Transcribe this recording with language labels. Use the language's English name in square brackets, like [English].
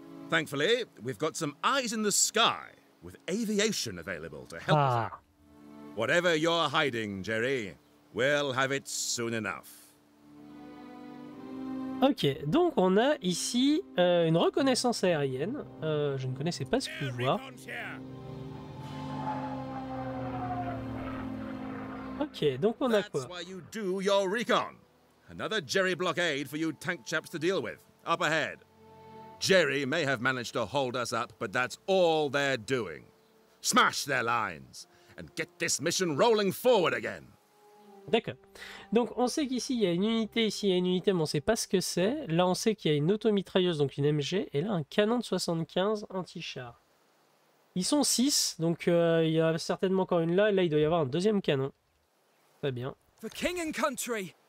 [English] Thankfully, we've got some eyes in the sky. With aviation available to help us. Whatever you're hiding, Jerry, we'll have it soon enough. [French] Ok, donc on a ici une reconnaissance aérienne. Je ne connaissais pas ce pouvoir. Ok, donc on a quoi? [English] That's why you do your recon. Another Jerry blockade for you tank chaps to deal with. Up ahead. Jerry may have managed to hold us up, but that's all they're doing. Smash their lines and get this mission rolling forward again. [French] D'accord. Donc on sait qu'ici il y a une unité, ici il y a une unité, mais on sait pas ce que c'est. Là on sait qu'il y a une automitrailleuse, donc une MG, et là un canon de 75 anti-char. Ils sont 6, donc il y a certainement encore une là, et là il doit y avoir un deuxième canon. Très bien. [English] The king and country.